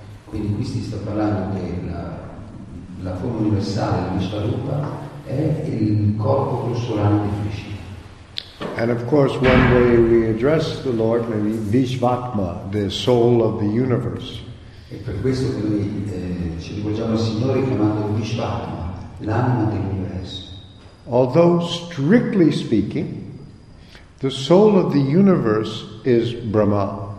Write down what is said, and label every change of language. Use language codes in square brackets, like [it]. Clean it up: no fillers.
[it] Quindi qui si sta parlando della forma universale, il Vishwarupa, è il corpo grossolano di Krishna. [en] And of course, one way we address the Lord, maybe Vishvatma, the soul of the universe. [it] E per questo che noi ci rivolgiamo al Signore chiamando Vishvatma, l'anima dell'universo. [en] Although strictly speaking, the soul of the universe is Brahma.